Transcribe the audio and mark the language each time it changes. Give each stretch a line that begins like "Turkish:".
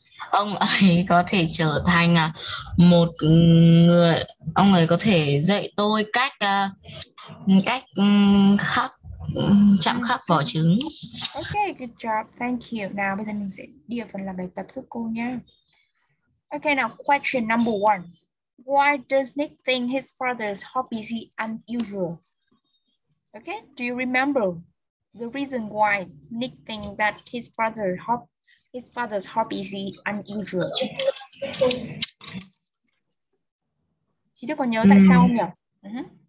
Vietnamese: Ông ấy có thể trở thành một người, ông ấy có thể dạy tôi cách cách khắc chạm khắc vỏ trứng.
English: Ok, good job, thank you.
Vietnamese: Nào bây giờ mình sẽ đi vào phần làm bài tập giúp cô nha.
English: Ok, now question number one. Why does Nick think his father's hobbies are unusual? Okay, do you remember the reason why Nick thinks that his father's hobbies are unusual?
Vietnamese: Chị Đức còn nhớ tại sao không nhỉ?